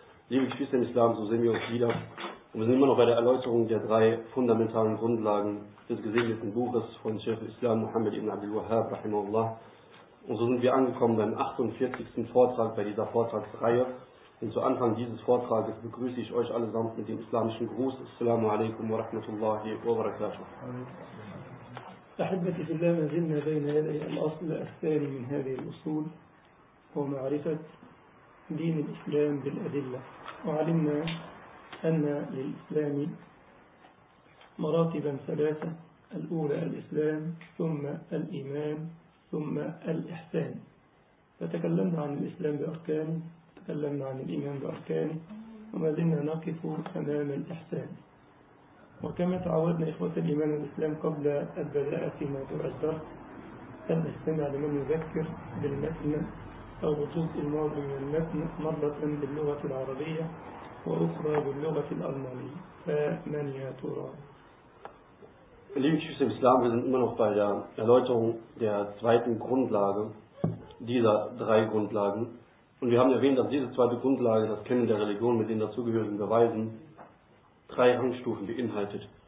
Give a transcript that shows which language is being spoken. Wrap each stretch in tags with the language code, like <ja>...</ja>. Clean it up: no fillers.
<de>Liebe Geschwister im Islam, so sehen wir uns wieder. Und wir sind immer noch bei der Erläuterung der drei fundamentalen Grundlagen des gesegneten Buches von Sheikh Islam Muhammad ibn Abdul Wahhab rahimahullah. Und so sind wir angekommen beim 48. Vortrag bei dieser Vortragsreihe. Und zu Anfang dieses Vortrages begrüße ich euch allesamt mit dem islamischen Gruß.</de> <ar>Assalamu alaikum wa rahmatullahi wa barakatuh. أحبتي في الله، ما زلنا بين يدي الأصل الثاني من هذه الأصول، هو معرفة دين الإسلام بالأدلة. وعلمنا أن للإسلام مراتبا ثلاثة: الأولى الإسلام، ثم الإيمان، ثم الإحسان. فتكلمنا عن الإسلام بأركان، تكلمنا عن الإيمان بأركان، وما زلنا نقف أمام الإحسان. وكما تعودنا إخوة الإيمان والإسلام قبل البداءة فيما تؤثر، أن نستمع لمن يذكر بالمتن أو بجزء الماضي من المتن مرة باللغة العربية وأخرى باللغة الألمانية. فمن يا ترى؟</ar> <de>Liebe Geschwister im Islam, wir sind immer noch bei der Erläuterung der zweiten Grundlage dieser drei Grundlagen. Und wir haben erwähnt, dass diese zweite Grundlage, das Kennen der Religion mit den dazugehörigen Beweisen, drei Rangstufen beinhaltet.</de>